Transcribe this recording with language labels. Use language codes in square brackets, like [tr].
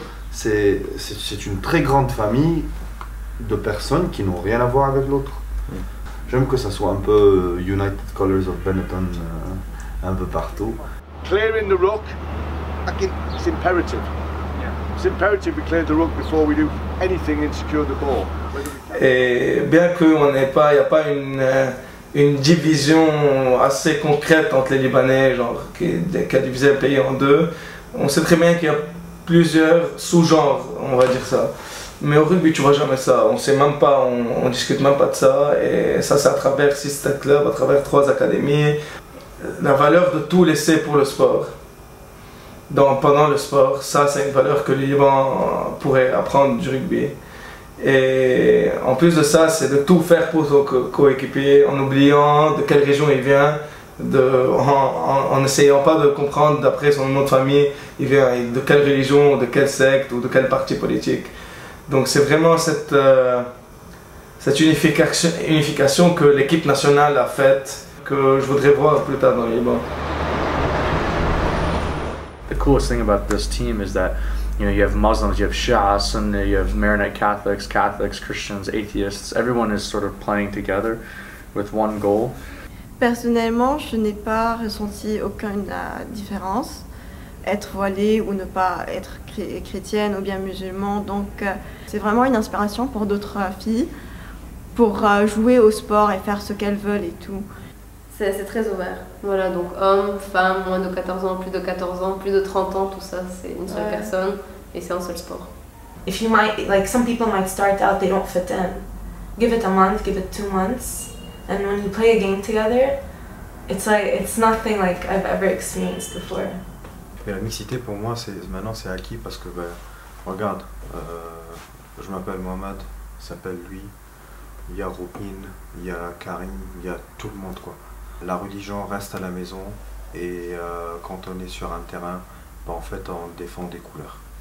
[fr] C'est une très grande famille de personnes qui n'ont rien à voir avec l'autre. J'aime que ça soit un peu United Colors of Benetton un peu partout. [en] Clearing the ruck, it's imperative. Yeah. It's imperative we clear the ruck before we do anything and secure the ball. [fr] Et bien qu'on n'ait pas, il n'y a pas une division assez concrète entre les Libanais, genre qui a divisé le pays en deux, on sait très bien qu'il y a plusieurs sous-genres, on va dire ça. Mais au rugby, tu vois jamais ça. On sait même pas, on discute même pas de ça. Et ça, c'est à travers 6 state clubs, à travers 3 académies. La valeur de tout laisser pour le sport. Donc, pendant le sport, ça, c'est une valeur que le Liban pourrait apprendre du rugby. Et en plus de ça, c'est de tout faire pour son coéquipier en oubliant de quelle région il vient, en n'essayant pas de comprendre d'après son nom de famille, il vient de quelle religion, de quelle secte ou de quel parti politique. Donc c'est vraiment cette unification que l'équipe nationale a faite que je voudrais voir plus tard dans le Liban. [en] The coolest thing about this team is that you know, you have Muslims, you have Shia, Sunni, you have Maronite Catholics, Catholics, Christians, atheists. Everyone is sort of playing together with one goal. [fr] Personnellement, je n'ai pas ressenti aucune différence. Être voilée ou ne pas être chrétienne ou bien musulman. Donc, c'est vraiment une inspiration pour d'autres filles, pour jouer au sport et faire ce qu'elles veulent et tout. C'est très ouvert. Voilà, donc hommes, femmes, moins de 14 ans, plus de 14 ans, plus de 30 ans, tout ça, c'est une seule personne et c'est un seul sport. [en] If you might, like some people might start out, they don't fit in. Give it a month, give it 2 months, and when you play a game together, it's like it's nothing like I've ever experienced before. [fr] Mais la mixité pour moi, c'est acquis parce que ben, regarde, je m'appelle Mohamed, s'appelle lui, il y a Robin, il y a Karim, il y a tout le monde quoi. La religion reste à la maison et quand on est sur un terrain, ben, en fait on défend des couleurs.